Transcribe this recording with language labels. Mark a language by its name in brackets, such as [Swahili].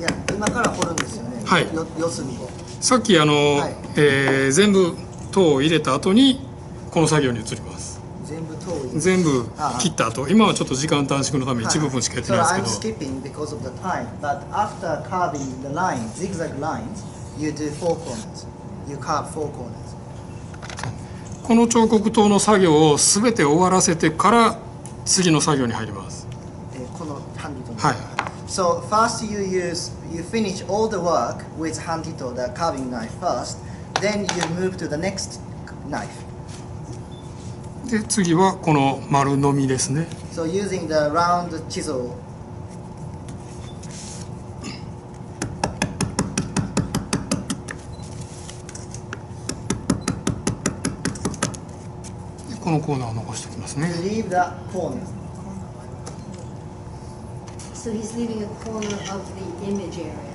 [Japanese] 今から掘るんですよね、はい、四隅をさっきあの、はい、全部糖を入れた後にこの作業に移ります。全部糖を入れ、全部切った後、今はちょっと時間短縮のため一部分しかやってないですけど、 [English] so、I'm skipping because of the time, but after carving the line, zigzag lines, you do four corners. You carve four corners. [Japanese] この彫刻刀の作業を全て終わらせてから次の作業に入ります。このハンディとはい、 [English] So first you use, you finish all the work with handito, the carving knife first, then you move to the next knife. [Japanese] で、次はこの丸のみですね。 [English] So using the round chisel. [Japanese] で、このコーナーを残しておきますね。 [English] You leave that corner. So he's leaving a corner of the image area.